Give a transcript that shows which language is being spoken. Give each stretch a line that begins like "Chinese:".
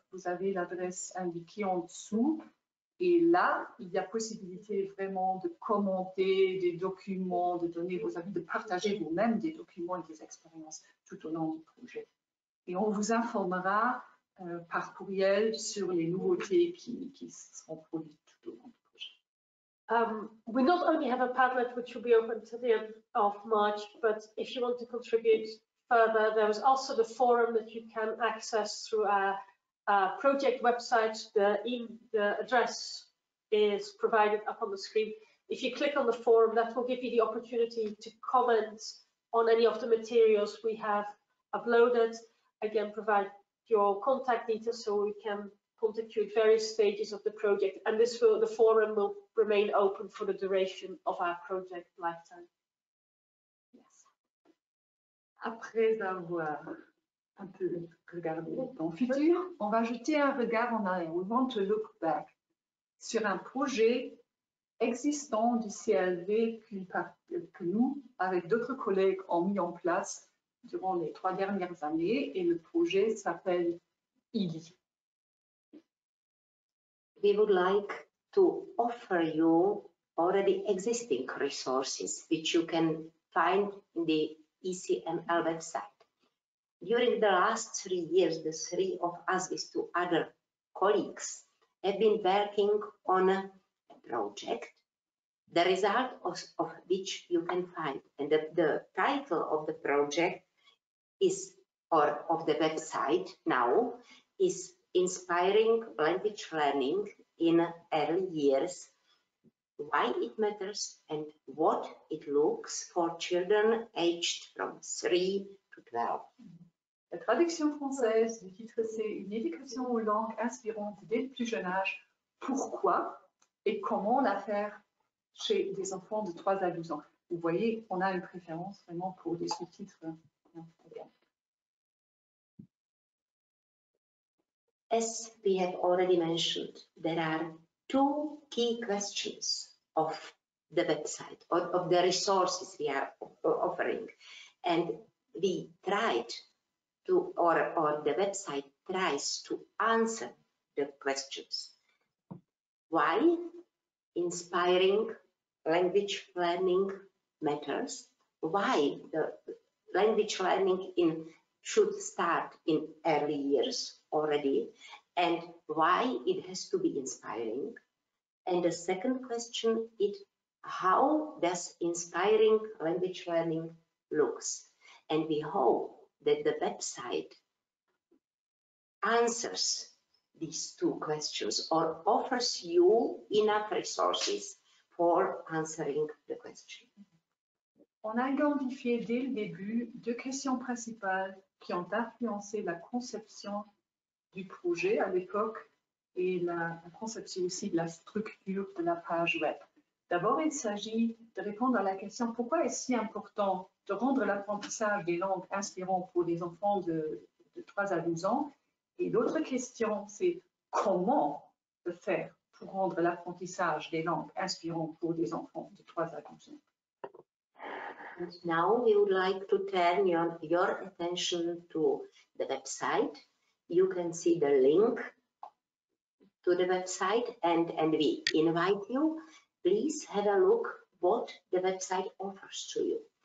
French: Vous avez l'adresse indiquée en dessous. Et là, il y a possibilité vraiment de commenter des documents, de donner vos avis, de partager vous-même des documents et des expériences tout au long du projet. Et on vous informera par courriel sur les nouveautés qui seront produites tout au long du projet.
English: We not only have a Padlet which will be open to the end of March, but if you want to contribute further, there is also the forum that you can access through our project website. The address is provided up on the screen. If you click on the forum, that will give you the opportunity to comment on any of the materials we have uploaded. Again, provide your contact details so we can contact you at various stages of the project. And this will, the forum will remain open for the duration of our project lifetime. Yes.
French: Après avoir un peu regarder dans le futur, on va jeter un regard en arrière,
English: we want to look back,
French: sur un projet existant du CLV que nous, avec d'autres collègues, ont mis en place durant les 3 dernières années, et le projet s'appelle ILI.
English: We would like to offer you already existing resources which you can find in the ECML website. During the last 3 years, the three of us with two other colleagues have been working on a project, the result of which you can find. And the title of the project is, or of the website now, is Inspiring Language Learning in Early Years, Why It Matters and What It Looks for Children Aged from 3 to 12.
French: La traduction française du titre, c'est Une éducation aux langues inspirantes dès le plus jeune âge, pourquoi et comment la faire chez des enfants de 3 à 12 ans. Vous voyez, on a une préférence vraiment pour des sous-titres.
English: As we have already mentioned, there are 2 key questions of the website, of the resources we are offering. And we tried to, or the website tries to answer the questions. Why inspiring language learning matters? Why the language learning should start in early years already, and why it has to be inspiring? And the second question is, how does inspiring language learning looks? And we hope that the website answers these 2 questions or offers you enough resources for answering the question.
French: On a identifié dès le début 2 questions principales qui ont influencé la conception du projet à l'époque et la conception aussi de la structure de la page web. D'abord, il s'agit de répondre à la question pourquoi est-ce si important de rendre l'apprentissage des langues inspirant pour les enfants de 3 à 12 ans. Et l'autre question, c'est comment le faire pour rendre l'apprentissage des langues inspirant pour des enfants de 3 à 12 ans.
English: And now we would like to turn your attention to the website. You can see the link to the website and we invite you. Please have a look what the website offers to you.